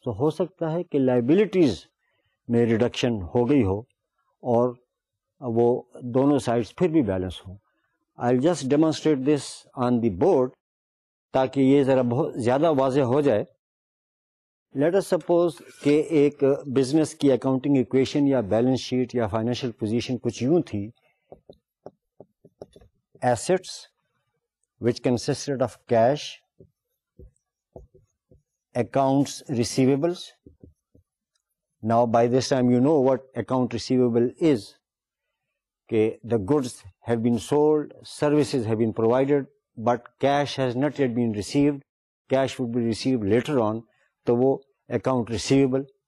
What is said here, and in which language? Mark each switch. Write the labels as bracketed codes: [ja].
[ur] تو ہو سکتا ہے کہ liabilities میں ریڈکشن ہو گئی ہو اور وہ دونوں سائڈس پھر بھی بیلنس ہوں. [en] I just demonstrate this on the board [ur] تاکہ یہ ذرا بہت زیادہ واضح ہو جائے. [en] Let us suppose کہ ایک business کی اکاؤنٹنگ ایکویشن یا بیلنس شیٹ یا فائنینشیل پوزیشن کچھ یوں تھی. Assets which consisted of cash, accounts receivables. Now by this time you know what account receivable is, کہ the goods have been sold, services have been provided, but cash has not yet been received, cash would be received later on, [ur] تو وہ [en] account receivable.